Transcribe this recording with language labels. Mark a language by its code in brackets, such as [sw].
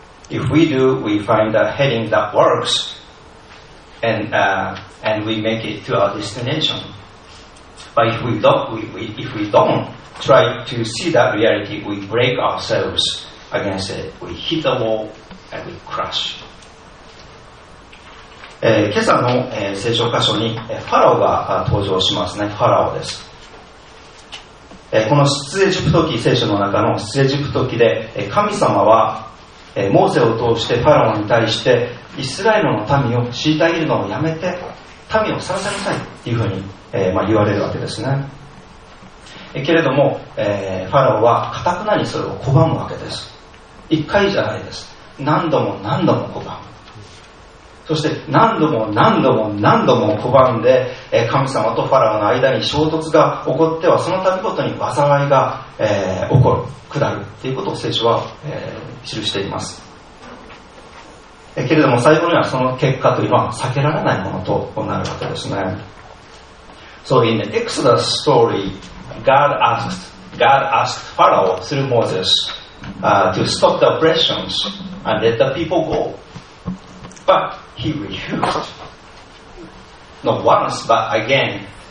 [en] If we do, we find a heading that worksAnd we make it to our destination. But if we don't try to see that reality, we break ourselves against it. We hit the wall and we crash. [ja] 今朝の聖書箇所にファラオが登場しますね。ファラオです。この出エジプト記、聖書の中の出エジプト記で、神様はモーセを通してファラオに対してイスラエルの民を虐げるのをやめて民を去らせなさいというふうに、言われるわけですね。けれども、ファラオは固くなりそれを拒むわけです。一回じゃないです。何度も何度も拒む。そして何度も何度も何度も拒んで、神様とファラオの間に衝突が起こっては、その度ごとに災いが、起こる、下るということを聖書は、記しています。けれども最後にはその結果というのは避けられないものとなるわけですね。 [en] So in the Exodus story, God asked Pharaoh through Moses, to stop the oppressions and let the people go. But he refused. Not once, but again.